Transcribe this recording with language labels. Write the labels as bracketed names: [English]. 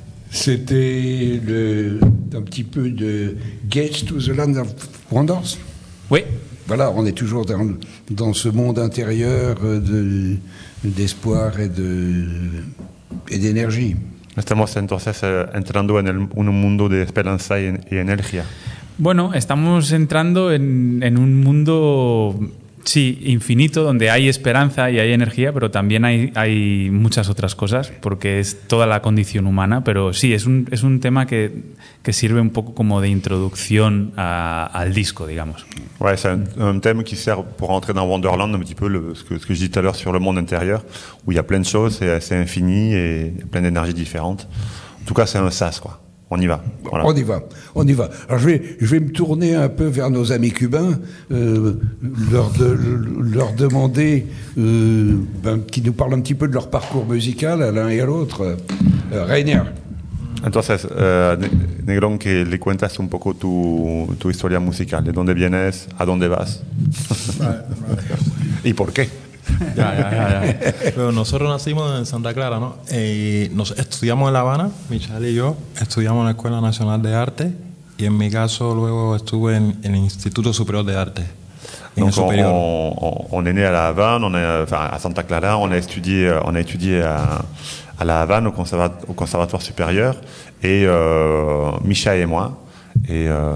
[French] C'était un petit peu de Gates to the Land of Wonders. Oui. Voilà, on est toujours dans ce monde intérieur d'espoir et d'énergie. [Spanish] Estamos entonces entrando en un mundo de esperanza y energía. Bueno, estamos entrando en un mundo, sí, infinito, donde hay esperanza y hay energía, pero también hay muchas otras cosas, porque es toda la condición humana. Pero sí, es un tema que sirve un poco como de introducción al disco, digamos. [French] Ouais, c'est un thème qui sert pour entrer dans Wonderland, un petit peu ce que je disais tout à l'heure sur le monde intérieur, où il y a plein de choses, c'est assez infini et plein d'énergies différentes. En tout cas, c'est un sas, quoi. On y va. Voilà. On y va, on y va. Alors je vais me tourner un peu vers nos amis cubains, leur demander qu'ils nous parlent un petit peu de leur parcours musical à l'un et à l'autre. Rainer. [Spanish] Entonces, Negrón, que le cuentas un poco tu historia musical, de dónde vienes, a dónde vas. ¿Y por qué? Ya. Pero nosotros nacimos en Santa Clara, ¿no? Nos estudiamos en La Habana, Michelle y yo, estudiamos en la Escuela Nacional de Arte y en mi caso luego estuve en el Instituto Superior de Arte. [French] Donc on est né à La Havane, à Santa Clara, on a étudié à La Havane au conservatoire supérieur et Micha et moi et